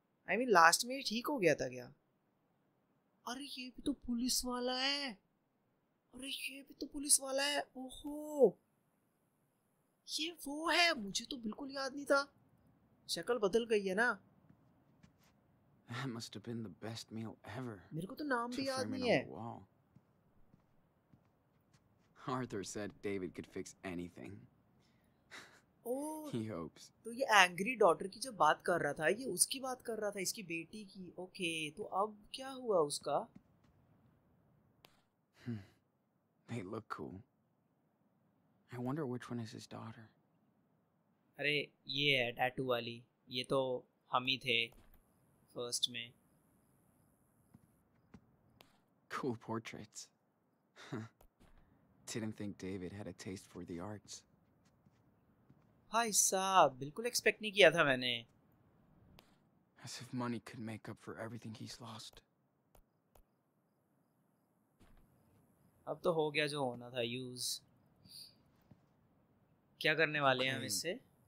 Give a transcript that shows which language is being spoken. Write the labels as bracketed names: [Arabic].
[English] I mean [Hindi] last में ये ठीक हो गया था क्या अरे ये भी तो पुलिस वाला है अरे ये भी तो पुलिस वाला है ओहो ये वो है मुझे तो बिल्कुल याद नहीं था शक्ल बदल गई है ना [English] That must have been the best meal ever. [Hindi] मेरे को तो नाम भी याद नहीं है [English] Arthur said David could fix anything. Oh, he hopes. [Hindi] तो ये [English] angry daughter [Hindi] की जो बात कर रहा था ये उसकी बात कर रहा था इसकी बेटी की ओके तो अब क्या हुआ उसका [English] They look cool. I wonder which one is his daughter. [Hindi] अरे ये है टैटू वाली ये तो हम ही थे फर्स्ट में [English] Cool portraits. Didn't think David had a taste for the arts. [Hindi] भाई साहब बिल्कुल एक्सपेक्ट नहीं किया था मैंने [English] As if money could make up for everything he's lost. [Hindi] अब तो हो गया जो होना था यूज क्या करने वाले हैं हम इससे